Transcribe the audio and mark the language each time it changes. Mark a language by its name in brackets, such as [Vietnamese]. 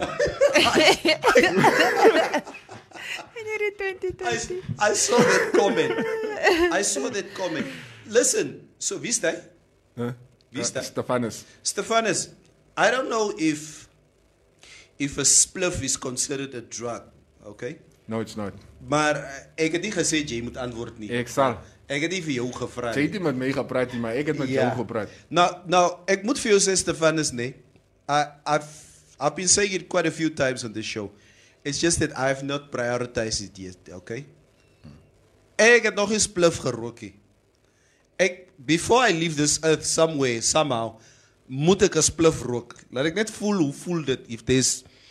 [Afrikaans] En jy [English] January 2020. I saw that comment. Listen, so Vista. Vista. Stefanus. Stefanus, I don't know if a spliff is considered a drug, okay? No, it's not. [Afrikaans] Maar ek het nie gesê jy moet antwoord nie. Ek sal. Ek het nie vir jou gevra nie. Jy het nie met my gepraat nie, maar ek het met jou gepraat. Nou, ek moet vir jou sê, Stefanus, nee. [English] I've been saying it quite a few times on this show. It's just that I've not prioritized it yet, okay? [Afrikaans] Ek het nog eens spliff gerookie. Ek, [English] before I leave this earth somewhere, somehow, [Afrikaans] moet ek een spliff rook. Laat ek net voel hoe voel dit, [English] if there's...